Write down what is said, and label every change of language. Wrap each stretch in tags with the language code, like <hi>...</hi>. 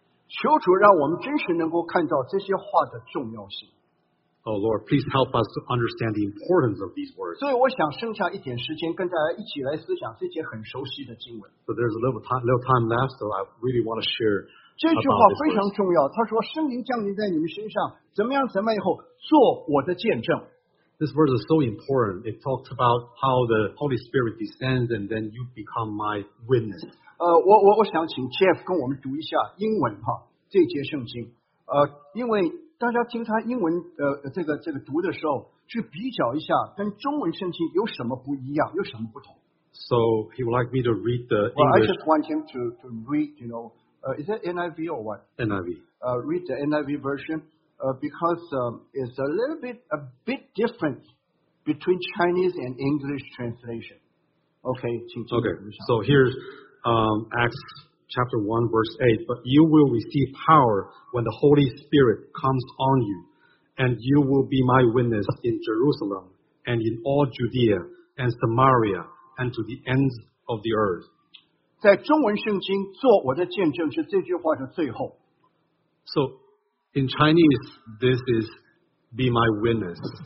<zh>求主让我们真实能够看到这些话的重要性。</zh> <en>Oh Lord, please help us to understand the importance of these words.</en> <zh>所以我想剩下一点时间跟大家一起来思想这些很熟悉的经文。</zh> <en>So there's a little time left, so I really want to share about this verse.</en> <zh>这句话非常重要，他说圣灵降临在你们身上，怎么样怎么样以后，做我的见证。</zh> <en>This verse is so important. It talks about how the Holy Spirit descends and then you become my witness.</en> <zh>我想请 Jeff 跟我们读一下英文哈这节圣经。因为大家听他英文这个读的时候，去比较一下跟中文圣经有什么不一样，有什么不同。</zh> <en>So he would like me to read the English. Well, I just want him to read, you know, is it NIV or what? NIV. Read the NIV version. Because it's a little bit, a bit different between Chinese and English translation.</en> <zh>Okay, 请听。</zh> <en>Okay, so here's Acts chapter 1 verse 8. But you will receive power when the Holy Spirit comes on you, and you will be my witness in Jerusalem, and in all Judea, and Samaria, and to the ends of the earth.</en> <zh>在中文圣经做我的见证是这句话的最后。</zh> <en>So,In Chinese, this is be my witness.</en>